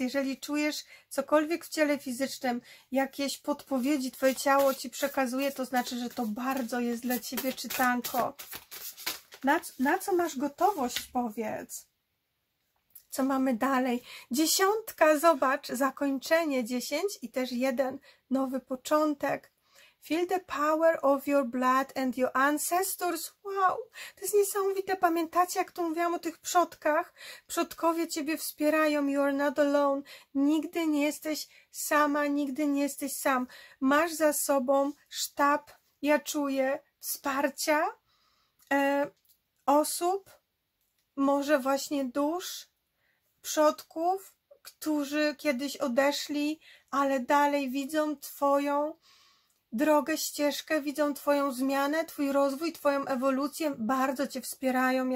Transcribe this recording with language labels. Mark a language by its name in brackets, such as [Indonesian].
[Polish] Jeżeli czujesz cokolwiek w ciele fizycznym, jakieś podpowiedzi Twoje ciało Ci przekazuje, to znaczy, że to bardzo jest dla Ciebie, czytanko. Na co masz gotowość, powiedz? Co mamy dalej? Dziesiątka, zobacz, zakończenie, 10 i też jeden, nowy początek. [English] Feel the power of your blood and your ancestors. [Polish] Wow, to jest niesamowite. Pamiętacie, jak tu mówiłam o tych przodkach? Przodkowie Ciebie wspierają. [English] You are not alone. [Polish] Nigdy nie jesteś sama, nigdy nie jesteś sam. Masz za sobą sztab, ja czuję, wsparcia, osób, może właśnie dusz, przodków, którzy kiedyś odeszli, ale dalej widzą Twoją drogę, ścieżkę, widzą Twoją zmianę, Twój rozwój, Twoją ewolucję, bardzo Cię wspierają.